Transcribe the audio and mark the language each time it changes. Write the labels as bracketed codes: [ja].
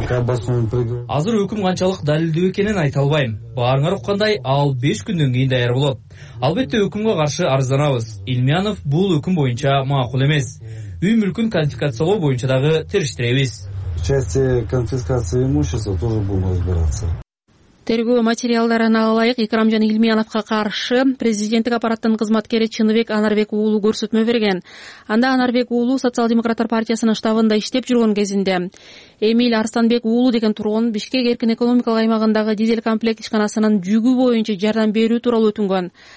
[ky] Азыр өкүм канчалык далилдүү экенин айта албайм. Баарыңар уккандай, ал 5 күндөн кийин даяр болот. Албетте өкүмгө каршы арызданабыз. Илмиянов бул өкүм боюнча макул эмес. Үй мүлкүн конфискациялоо боюнча дагы териштиребиз. [ru] Части конфискации имущества тоже будем разбираться. [ky] Тергөө материалдарына ылайык, Икрамжан Илмияновго каршы президенттик аппараттын кызматкери Чыныбек Анарбек уулу көрсөтмө берген. Анда Анарбек уулу Социал-демократтар партиясынын штабында иштеп жүргөн кезинде Эмиль Арстанбек уулу деген тургун Бишкек эркин экономикалык аймагындагы дизель комплект ишканасынын жүгү боюнча жардам берүү тууралуу өтүнгөн.